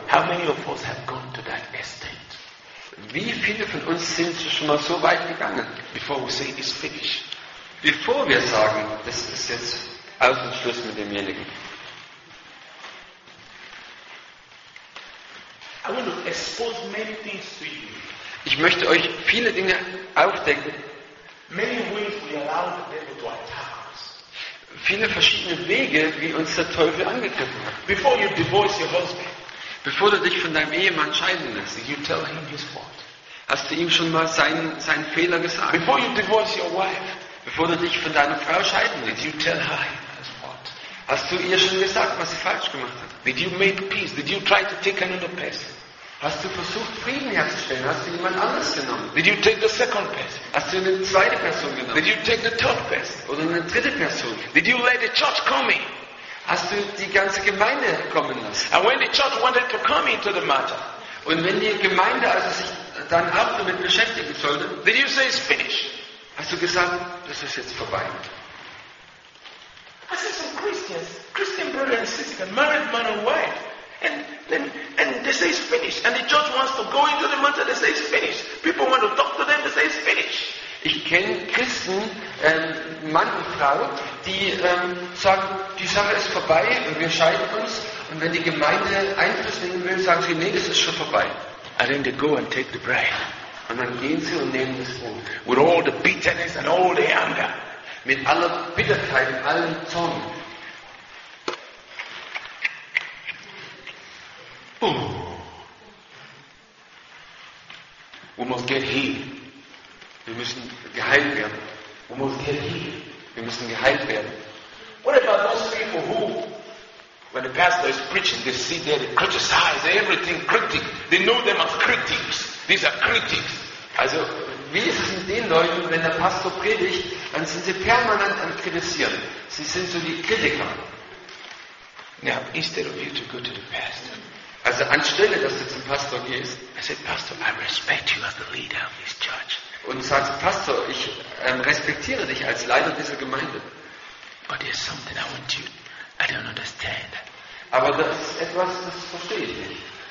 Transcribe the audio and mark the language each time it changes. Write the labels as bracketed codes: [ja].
[en] How many of us have gone to that estate? [de] Wie viele von uns sind schon mal so weit gegangen? [en] Before we say it's finished. [de] Bevor wir sagen, das ist jetzt aus dem Schluss mit demjenigen. [en] I want to expose many things to you. [de] Ich möchte euch viele Dinge aufdecken. [en] Many ways we allow the devil to attack. [de] Viele verschiedene Wege, wie uns der Teufel angegriffen hat. [en] Before you divorce your husband, [de] bevor du dich von deinem Ehemann scheiden lässt, [en] you tell him his fault. [de] Hast du ihm schon mal seinen Fehler gesagt? [en] Before you divorce your wife, [de] bevor du dich von deiner Frau scheiden lässt, [en] you tell her his fault. [de] Hast du ihr schon gesagt, was sie falsch gemacht hat? [en] Did you make peace? Did you try to take another person? [de] Hast du versucht, Frieden herzustellen? Hast du jemand anders genommen? [en] Did you take the second person? [de] Hast du eine zweite Person genommen? [en] Did you take the third person? [de] Oder eine dritte Person? [en] Did you let the church come in? [de] Hast du die ganze Gemeinde kommen lassen? [en] And when the church wanted to come into the matter, [de] und wenn die Gemeinde also sich dann auch damit beschäftigen sollte, [en] did you say it's finished? [de] Hast du gesagt, das ist jetzt vorbei? [en] I said some Christian brother and sister, married man and wife. And they say it's finished. And the judge wants to go into the matter. They say it's finished. People want to talk to them. They say it's finished. [de] Ich kenne Christen, Mann und Frau, die sagen, die Sache ist vorbei und wir scheiden uns. Und wenn die Gemeinde Einfluss nehmen will, sagen sie, nee, das ist schon vorbei. [en] And then they go and take the bread. [de] Und dann gehen sie und nehmen das Brot. [en] With all the bitterness and all the anger. [de] Mit aller Bitterkeit und allem Zorn. [en] We must get healed. [de] Wir müssen geheilt werden. [en] We must get healed. [de] Wir müssen geheilt werden. [en] What about those people who, when the pastor is preaching, they sit there, they criticize everything, critic. They know them as critics. These are critics. [de] Also, wie ist es mit den Leuten, wenn der Pastor predigt, dann sind sie permanent am Kritisieren. Sie sind so die Kritiker. [en] Now, instead of you to go to the pastor. [de] Also anstelle, dass du zum Pastor gehst, [en] I said, Pastor, I respect you as the leader of this church. [de] Und sagst, Pastor, ich respektiere dich als Leiter dieser Gemeinde. [en] But there's something I want you, I don't understand. [de] Aber das ist etwas, das verstehe ich nicht.